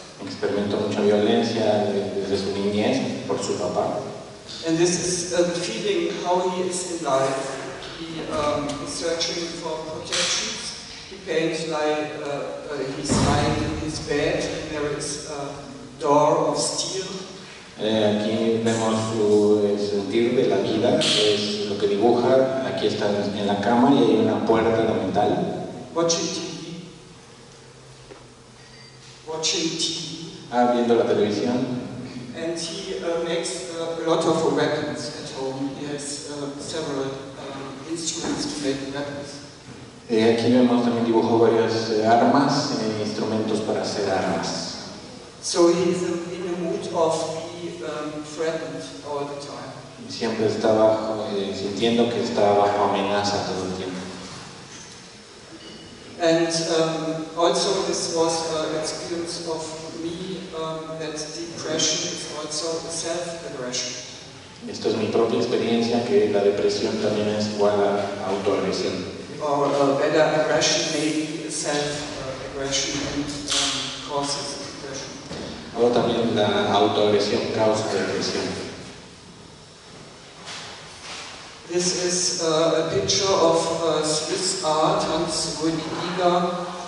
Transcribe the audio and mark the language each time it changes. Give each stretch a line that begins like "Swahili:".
Spanish: Experimentó mucha violencia desde su niñez por su papá.
English: And this is a feeling how he is in life. He is searching for protection. Paint like he's lying in his bed, and there is a door of steel.
Spanish: Aquí vemos su sentir de la vida, es lo que dibuja. Aquí está en la cama y hay una puerta de metal.
English: Watching TV. Watching TV.
Spanish: Ah, viendo la televisión.
English: And he makes a lot of weapons at home. He has several instruments to make weapons.
Spanish: Aquí vemos también dibujó varias armas, instrumentos para hacer armas.
English: So he is in a mood of being threatened all the time.
Spanish: Siempre está bajo, sintiendo que está bajo amenaza todo el tiempo.
English: And also this was an experience of me that depression is also a self-aggression.
Spanish: Esto es mi propia experiencia, que la depresión también es igual a autoagresión.
English: Or better aggression, maybe self-aggression, and causes depression.
Spanish: Ahora también la autoagresión causa depresión.
English: This is a picture of Swiss art, Hans Rüdiger.